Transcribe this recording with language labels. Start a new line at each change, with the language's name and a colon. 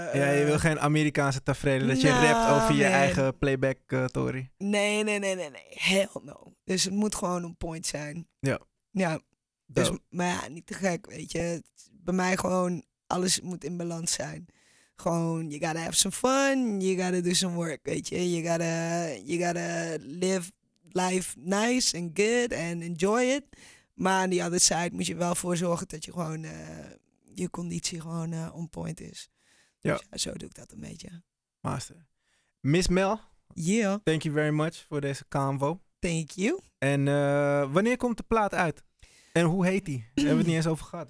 Dutch: Ja, je wil geen Amerikaanse tafereel dat je rapt over je eigen playback, Tori. Nee.
English: Hell no.
Dutch: Dus het moet gewoon een point zijn. Ja. Ja. Dus, maar ja, niet te gek, weet je. Bij mij gewoon, alles moet in balans zijn. Gewoon,
English: you gotta have some fun, you gotta do some work,
Dutch: weet je.
English: You gotta live life nice and good and enjoy it.
Dutch: Maar aan
English: the other side
Dutch: moet je wel voor zorgen dat je gewoon je conditie gewoon
English: on point
Dutch: is. Ja. Dus ja, zo doe ik dat een beetje.
English: Master. Miss Mel. Yeah. Thank you very much
Dutch: voor deze convo.
English: Thank you.
Dutch: En wanneer komt de plaat uit? En hoe heet die? We hebben het niet eens over gehad.